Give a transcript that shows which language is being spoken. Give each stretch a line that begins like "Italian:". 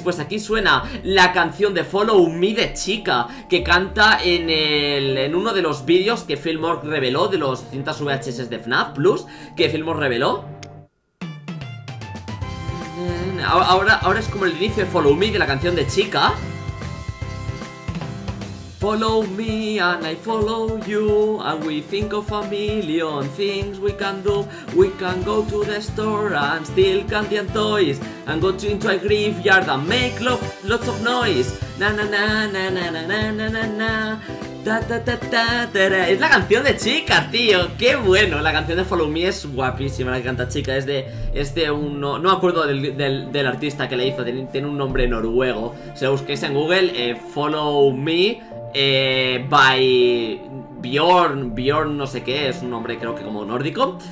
Spanish: Pues aquí suena la canción de Follow Me de Chica, que canta en uno de los vídeos que Fillmore reveló, de los cintas VHS de FNAF Plus, que Fillmore reveló. Ahora es como el inicio de Follow Me, de la canción de Chica.
English: Follow me and I follow you, and we think of a million things we can do. We can go to the store and steal candy and toys, and go into a graveyard and make lots of noise. Na na na na na na na na na na.
Spanish: Es la canción de Chica, tío. Qué bueno, la canción de Follow Me es guapísima, la que canta Chica. Es de este uno, no me acuerdo del artista que la hizo, tiene un nombre noruego. Si lo busquéis en Google, Follow Me by Bjorn, no sé qué, es un nombre creo que como nórdico.